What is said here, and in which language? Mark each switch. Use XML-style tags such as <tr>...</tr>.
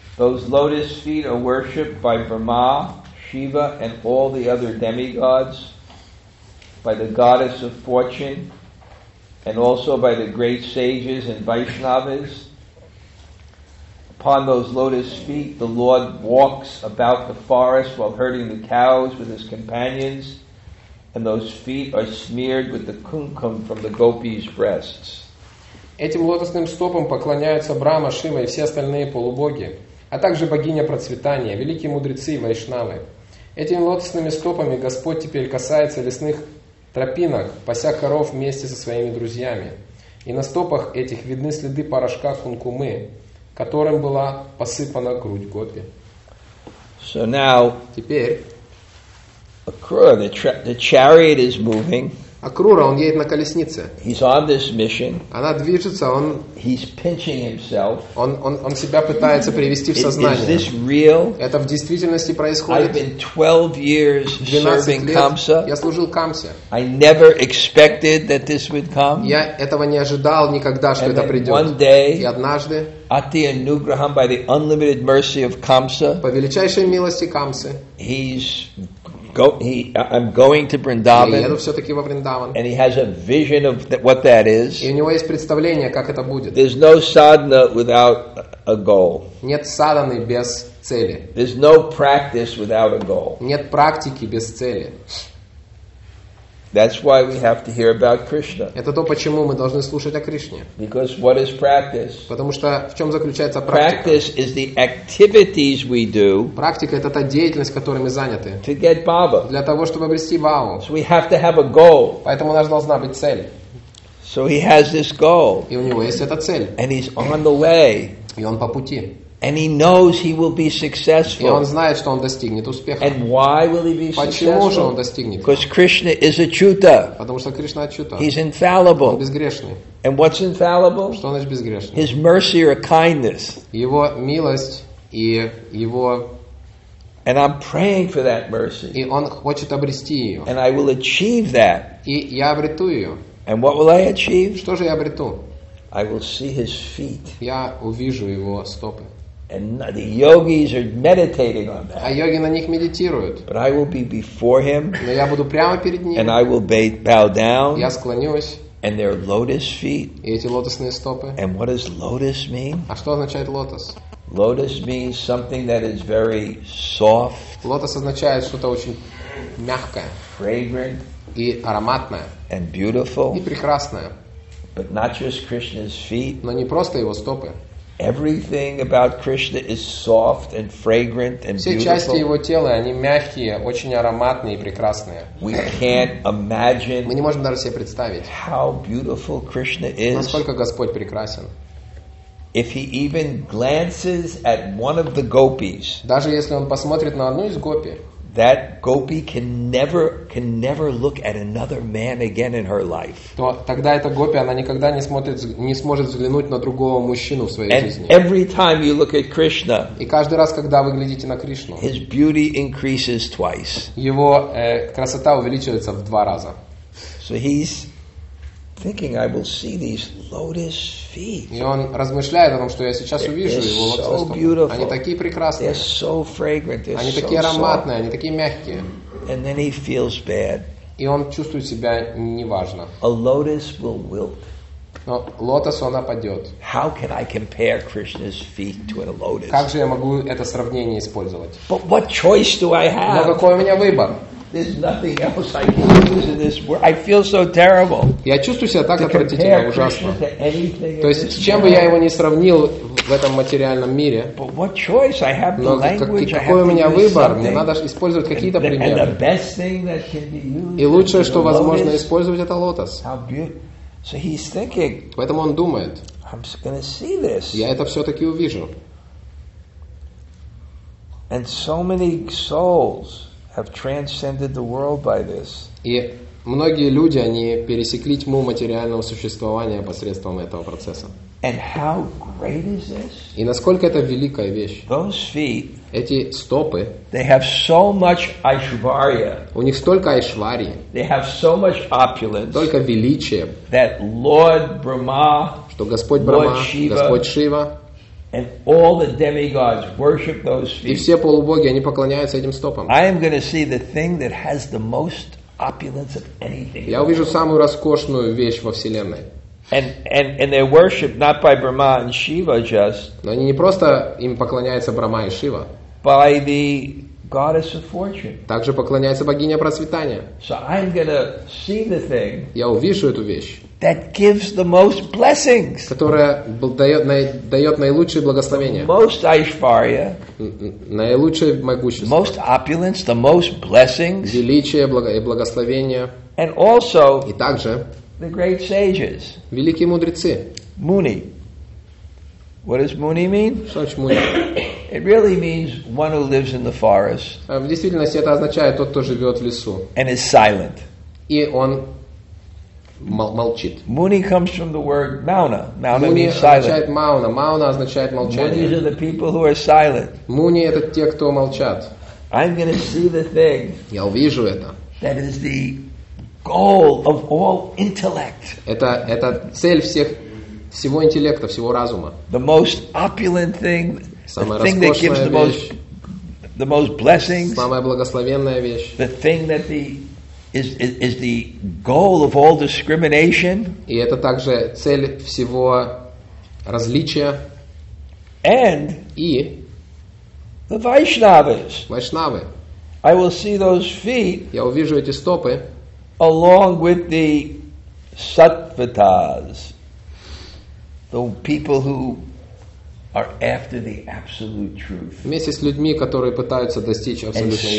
<en>Those lotus feet are worshipped by Brahma, Shiva, and all the other demigods, by the goddess of fortune, and also by the great sages and Vaishnavas. Upon those lotus feet, the Lord walks about the forest while herding the cows with his companions, and those feet are smeared with the kumkum from the gopis' breasts.</en> <ru>Этим лотосным стопам поклоняются Брама, Шива и все остальные полубоги, а также богиня процветания, великие мудрецы и вайшнавы. Этими лотосными стопами Господь теперь касается лесных тропинок, пася коров вместе со своими друзьями. И на стопах этих видны следы порошка кункумы, которым была посыпана грудь гопи.</ru> <en>So now,</en> <ru>теперь,</ru> <en>the chariot is moving.</en> <ru>Акрура, он едет на колеснице.</ru> <en>He's on this mission.</en> <ru>Она движется, он...</ru> <en>He's pinching himself.</en> <ru>Он себя пытается привести в сознание.</ru> <en>Is this real?</en> <ru>Это в действительности происходит.</ru> <en>I've been 12 years</en> <ru>12</ru> <en>serving Камса.</en> <ru>Я служил Камсе.</ru> <en>I never expected that this would come.</en> <ru>Я этого не ожидал никогда, что</ru> <en>And</en> <ru>это придет.</ru> <en>One day,</en> <ru>и однажды,</ru> <en>at the anugraham, by the unlimited mercy of Камса,</en> <ru>по величайшей милости Камсы,</ru> <en>he's... I'm going to Vrindavan.</en> <ru>Я еду все-таки во Вриндаван.</ru> <en>And he has a vision of what that is.</en> <ru>И у него есть представление, как это будет.</ru> <en>There's no sadhana without a goal.</en> <ru>Нет садханы без цели.</ru> <en>There's no practice without a goal.</en> <ru>Нет практики без цели.</ru> <en>That's why we have to hear about Krishna.</en> <ru>Это то, почему мы должны слушать о Кришне.</ru> <en>Because what is practice?</en> <ru>Потому что в чем заключается практика?</ru> <en>Practice is the activities we do.</en> <ru>Практика это та деятельность, которой мы заняты.</ru> <en>To get bhava.</en> <ru>Для того, чтобы обрести бхаву.</ru> <en>So we have to have a goal.</en> <ru>Поэтому у нас должна быть цель.</ru> <en>So he has this goal.</en> <ru>И у него есть эта цель.</ru> <en>And he's on the way.</en> <ru>И он по пути.</ru> <en>And he knows he will be successful.</en> <ru>И он знает, что он достигнет успеха.</ru> <en>And why will he be</en> <ru>Почему</ru> <en>successful?</en> <ru>Же он достигнет?</ru> <en>Because Krishna is achyuta.</en> <ru>Потому что Кришна ачюта.</ru> <en>He's infallible.</en> <ru>Он безгрешный.</ru> <en>And what's infallible?</en> <ru>Что значит безгрешный?</ru> <en>His mercy or kindness.</en> <ru>Его милость и его...</ru> <en>And I'm praying for that mercy.</en> <ru>И он хочет обрести ее.</ru> <en>And I will achieve that.</en> <ru>И я обрету ее.</ru> <en>And what will I achieve?</en> <ru>Что же я обрету?</ru> <en>I will see his feet.</en> <ru>Я увижу его стопы.</ru> <en>And the yogis are meditating on that.</en> <ru>А йоги на них медитируют.</ru> <en>But I will be before him.</en> <ru>Но я буду прямо перед ним.</ru> <en>And I will bow down.</en> <ru>Я склонюсь.</ru> <en>And their lotus feet.</en> <ru>И эти лотосные стопы.</ru> <en>And what does lotus mean?</en> <ru>А что означает лотос?</ru> <en>Lotus means something that is very soft.</en> <ru>Лотос означает что-то очень мягкое.</ru> <en>Fragrant.</en> <ru>И ароматное.</ru> <en>And beautiful.</en> <ru>И прекрасное.</ru> <en>But not just Krishna's feet.</en> <ru>Но не просто его стопы.</ru> <en>Everything about Krishna is soft and fragrant and beautiful.</en> <ru>Все части его тела, они мягкие, очень ароматные и прекрасные.</ru> <en>We can't imagine.</en> <ru>Мы не можем даже себе представить.</ru> <en>How beautiful Krishna is.</en> <ru>Насколько Господь прекрасен.</ru> <en>If he even glances at one of the gopis.</en> <ru>Даже если он посмотрит на одну из гопи.</ru> <en>That gopi can never look at another man again in her life.</en> <ru>То тогда эта гопи она никогда не сможет взглянуть на другого мужчину в своей жизни.</ru> <en>And every time you look at Krishna,</en> <ru>и каждый раз, когда вы глядите на Кришну,</ru> <en>his beauty increases twice.</en> <ru>Его красота увеличивается в два раза.</ru> <en>So he's thinking, I will see these lotus feet.</en> <ru>И он размышляет о том, что я сейчас увижу его лотосные стопы. Они такие прекрасные.</ru> <en>They're so fragrant. They're</en> <ru>они такие</ru> <en>so</en> <ru>ароматные,</ru> <en>soft.</en> <ru>Они такие мягкие.</ru> <en>And then he feels bad.</en> <ru>И он чувствует себя неважно.</ru> <en>A lotus will wilt.</en> <ru>Но лотос он опадет.</ru> <en>How can I compare Krishna's feet to a lotus?</en> <ru>Как же я могу это сравнение использовать?</ru> <en>But what choice do I have?</en> <ru>Но какой у меня выбор?</ru> <en>There's nothing else I can do in this world. I feel so terrible.</en> <ru>Я чувствую себя так отвратительно, ужасно. То есть, с чем бы я его ни сравнил в этом материальном мире?</ru> <en>But what choice I have? The language.</en> <ru>Какой у меня выбор? Мне надо использовать какие-то примеры.</ru> <en>And the best thing that can be used.</en> <ru>И лучшее, что возможно использовать, это лотос.</ru> <en>So he's thinking.</en> <ru>Поэтому он думает.</ru> <en>I'm just gonna see this.</en> <ru>Я это все-таки увижу.</ru> <en>And so many souls have transcended the world by this.</en> <ru>И многие люди, они пересекли тьму материального существования посредством этого процесса.</ru> <en>And how great is this?</en> <ru>И насколько это великая вещь.</ru> <en>Those feet,</en> <ru>эти стопы,</ru> <en>they have so much Aishvarya.</en> <ru>У них столько Айшварьи.</ru> <en>They have so much opulence.</en> <ru>Только величие.</ru> <en>That Lord Brahma,</en> <ru>что Господь Брахма,</ru> <en>Lord Shiva,</en> <ru>Господь Шива,</ru> <en>and all the demigods worship those feet.</en> <ru>И все полубоги, они поклоняются этим стопам.</ru> <en>I am going to see the thing that has the most opulence of anything.</en> <ru>Я увижу самую роскошную вещь во вселенной.</ru> <en>And they worship not by Brahma and Shiva just.</en> <ru>Но они не просто им поклоняются Брахма и Шива.</ru> <en>By the goddess of fortune.</en> <ru>Также поклоняется богиня процветания.</ru> <en>So I'm going to see the thing.</en> <ru>Я увижу эту вещь.</ru> <en>That gives the most blessings.</en> <ru>Которая дает наилучшие благословения.</ru> <en>The most Aishvarya.</en> <ru>Наилучшее могущество.</ru> <en>Most opulence, the most blessings.</en> <ru>Величие и благословения.</ru> <en>And also.</en> <ru>И также.</ru> <en>The great sages.</en> <ru>Великие мудрецы.</ru> <en>Муни. What does Muni mean?</en> <ru>Что значит Муни?</ru> <en>It really means one who lives in the forest.</en> <ru>В действительности это означает тот, кто живет в лесу.</ru> <en>And is silent.</en> <ru>И он молчит.</ru> <en>Muni comes from the word mauna. Mauna Muni means silent.</en> <ru>Означает мауна. Мауна означает молчание.</ru> <en>Muni are the people who are silent.</en> <ru>Муни это те, кто молчат.</ru> <en>I'm going to see the thing.</en> <ru>Я увижу это.</ru> <en>That is the goal of all intellect.</en> <ru>Это цель всего интеллекта, всего разума.</ru> <en>The most opulent thing,</en> <ru>самая</ru> <en>the thing that gives</en> <ru>вещь,</ru> <en>the most blessings.</en> <ru>Самая благословенная вещь.</ru> <en>The thing that is the goal of all discrimination.</en> <ru>И это также цель всего различия.</ru> <en>And</en> <ru>и</ru> <en>the Vaishnavas.</en> <ru>Вайшнавы.</ru> <en>I will see those feet.</en> <ru>Я увижу эти стопы.</ru> <en>Along with the sattvatas, the people who are after the absolute truth.</en> <ru>Вместе с людьми, которые пытаются достичь абсолютной истины.</ru>